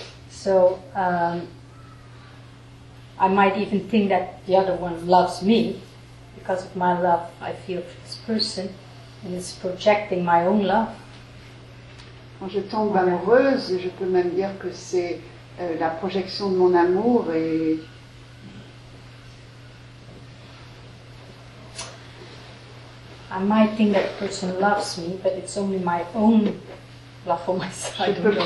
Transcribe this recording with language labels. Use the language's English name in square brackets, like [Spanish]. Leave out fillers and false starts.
[English] So I might even think that the other one loves me, because of my love I feel for this person, and it's projecting my own love. [French] Quand je tombe amoureuse, je peux même dire que c'est la projection de mon amour et. [English] I might think that person loves me, but it's only my own love for myself.